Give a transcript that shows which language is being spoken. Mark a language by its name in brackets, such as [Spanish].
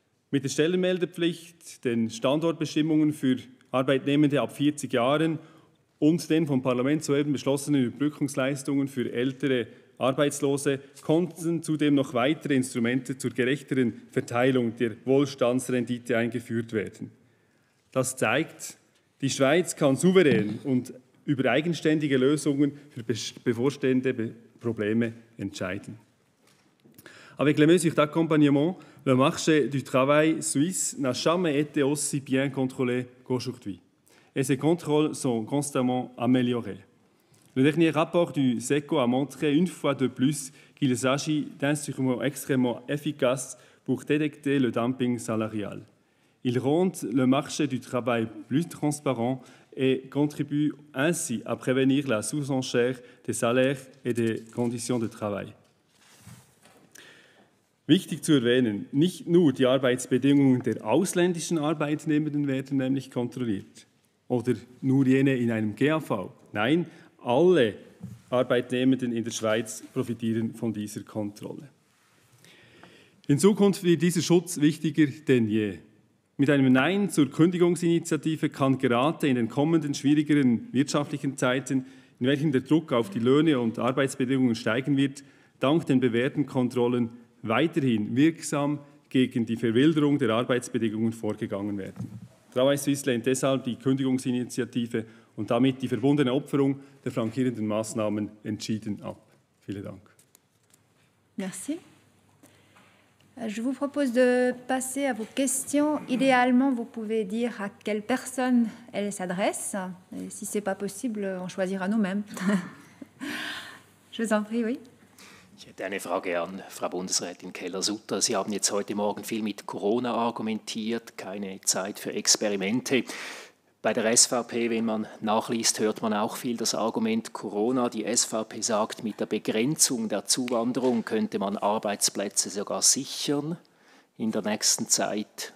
[German] Mit der Stellenmeldepflicht, den Standortbestimmungen für Arbeitnehmende ab 40 Jahren und den vom Parlament soeben beschlossenen Überbrückungsleistungen für ältere Arbeitslose konnten zudem noch weitere Instrumente zur gerechteren Verteilung der Wohlstandsrendite eingeführt werden. Das zeigt, die Schweiz kann souverän und über eigenständige Lösungen für bevorstehende Probleme entscheiden. [French] Avec les mesures d'accompagnement, le marché du travail suisse n'a jamais été aussi bien contrôlé qu'aujourd'hui. Et ces contrôles sont constamment améliorés. Le dernier rapport du SECO a montré une fois de plus qu'il s'agit d'instruments extrêmement efficaces pour détecter le dumping salarial. Ils rendent le marché du travail plus transparent et contribuent ainsi à prévenir la sous-enchère des salaires et des conditions de travail. [German] Wichtig zu erwähnen, nicht nur die Arbeitsbedingungen der ausländischen Arbeitnehmenden werden nämlich kontrolliert oder nur jene in einem GAV. Nein, alle Arbeitnehmenden in der Schweiz profitieren von dieser Kontrolle. In Zukunft wird dieser Schutz wichtiger denn je. Mit einem Nein zur Kündigungsinitiative kann gerade in den kommenden schwierigeren wirtschaftlichen Zeiten, in welchen der Druck auf die Löhne und Arbeitsbedingungen steigen wird, dank den bewährten Kontrollen weiterhin wirksam gegen die Verwilderung der Arbeitsbedingungen vorgegangen werden. Travail Suisse lehnt deshalb die Kündigungsinitiative und damit die verbundene Opferung der flankierenden Massnahmen entschieden ab. Vielen Dank. [French] Merci. Je vous propose de passer à vos questions. Idéalement, vous pouvez dire à quelle personne elles s'adressent. Et si ce n'est pas possible, on choisira nous-mêmes. Je vous en prie, oui. [German] Ich hätte eine Frage an Frau Bundesrätin Keller-Sutter. Sie haben jetzt heute Morgen viel mit Corona argumentiert, keine Zeit für Experimente. Bei der SVP, wenn man nachliest, hört man auch viel das Argument Corona. Die SVP sagt, mit der Begrenzung der Zuwanderung könnte man Arbeitsplätze sogar sichern in der nächsten Zeit.